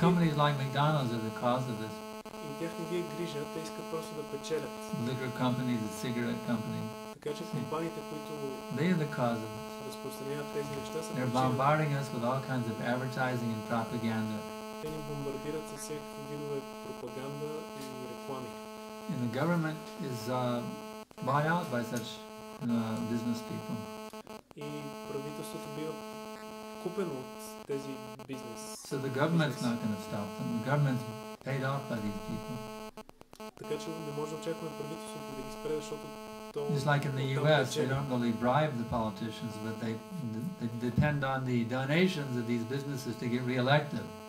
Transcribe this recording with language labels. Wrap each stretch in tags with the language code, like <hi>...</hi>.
<en>companies like McDonald's are the cause of this.</en> <bg>Тях не ги е грижа, те искат просто да печелят.</bg> <en>Liquor companies, the cigarette company.</en> <bg>Така че компаниите, които</bg> <en>they are the cause of it.</en> <bg>Разпространяват тези неща, са</bg> <en>They're bombarding us with all kinds of advertising and propaganda.</en> <bg>Те ни бомбардират с всякакви видове пропаганда и реклами.</bg> <en>And the government is bought out by such business people.</en> <bg>И правителството бива купено от тези бизнес.</bg> <en>So the government's not going to stop them. The government's paid off by these people.</en> <bg>Така че не може да очакваме правителството да ги спре, защото то</bg> <en>Just like in the US, they don't really bribe the politicians, but they depend on the donations of these businesses to get re-elected.</en>